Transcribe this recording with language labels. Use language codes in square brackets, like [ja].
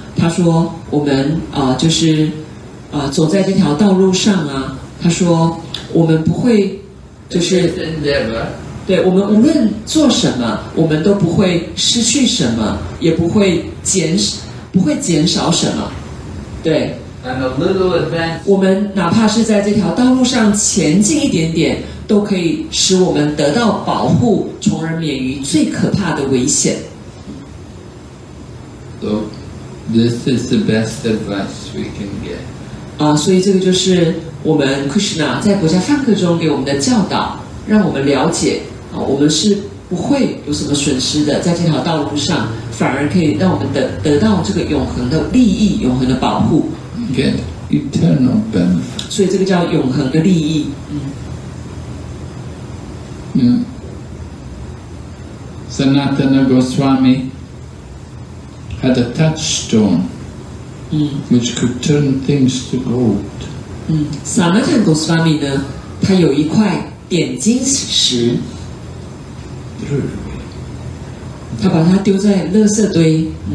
[zh] 他说我们就是走在这条道路上啊，他说我们不会就是对我们无论做什么我们都不会失去什么，也不会减少什么，对。 [en] And a little advance, [zh] 我们哪怕是在这条道路上前进一点点，都可以使我们得到保护，从而免于最可怕的危险。 [en] So this is the best advice we can get. [zh] 所以这个就是我们 Krishna 在国家范克中给我们的教导，让我们了解我们是不会有什么损失的，在这条道路上反而可以让我们 得到这个永恒的利益，永恒的保护。 [en] Get eternal benefit. [zh] 所以这个叫永恒的利益。 [en] Sanatana Goswami had a touchstone which could turn things to gold. [zh] Sanatana Goswami 呢，他有一块点金石，他把它丢在垃圾堆。